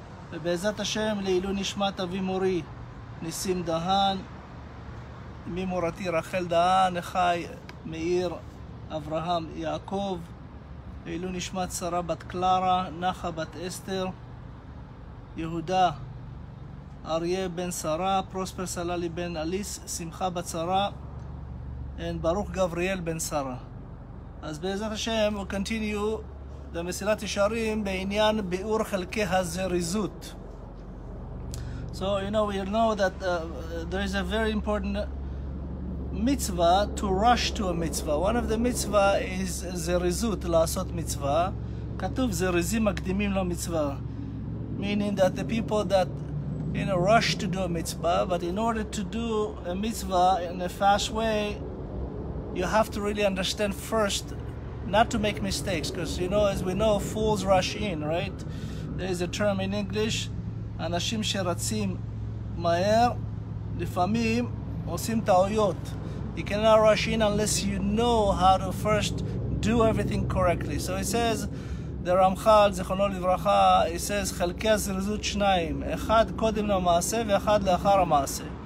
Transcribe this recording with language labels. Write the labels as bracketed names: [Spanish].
[Hebrew] ובעזרת השם, לעילו נשמת אבי מורי ניסים דהן, אמי מורתי רחל דהן, אחי מאיר אברהם יעקב, לעילו נשמת שרה בת קלרה, נחה בת אסתר, יהודה אריה בן שרה, פרוספר סללי בן אליס, שמחה בת שרה, וברוך גבריאל בן שרה. אז בעזרת השם, [English] we continue [Hebrew] במסילת ישרים בעניין ביאור חלקי הזריזות. [English] So, you know, we know that there is a very important mitzvah to rush to a mitzvah. One of the mitzvah is [Hebrew] זריזות, לעשות מצווה. כתוב זריזים מקדימים למצווה. [English] Meaning that the people that in a rush to do a mitzvah, but in order to do a mitzvah in a fast way, you have to really understand first not to make mistakes, because, you know, as we know, fools rush in, right? There is a term in English, [Hebrew] אנשים שרצים מהר לפעמים עושים טעויות. [English] You cannot rush in unless you know how to first do everything correctly. So it says the Ramchal, [Hebrew] זכרונו לברכה, [English] he says, [Hebrew] חלקי הזריזות שניים, אחד קודם למעשה ואחד לאחר המעשה.